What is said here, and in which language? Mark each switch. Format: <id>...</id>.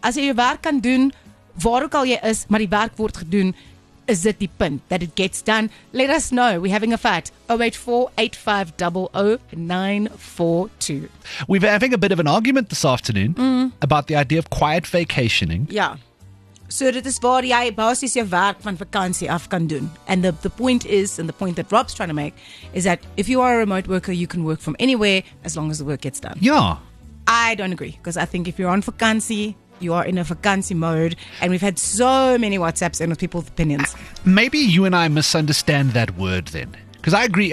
<af>As jy werk kan doen, waar ook al jy is, maar die werk word gedoen.</af> <en>Is it the pin that it gets done? Let us know. We're having a fight. 084-8500-942. We've been having a bit of an argument this afternoon about the idea of quiet vacationing. Yeah.</en> <af>So dit is waar jy basis jou werk van vakansie af kan doen.</af> <en>And the point is, and the point that Rob's trying to make, is that if you are a remote worker, you can work from anywhere as long as the work gets done. Yeah. I don't agree, because I think if you're on vacancy, you are in a vacancy mode, and we've had so many WhatsApps in with people's opinions. Maybe you and I misunderstand that word then. Because I agree.</en>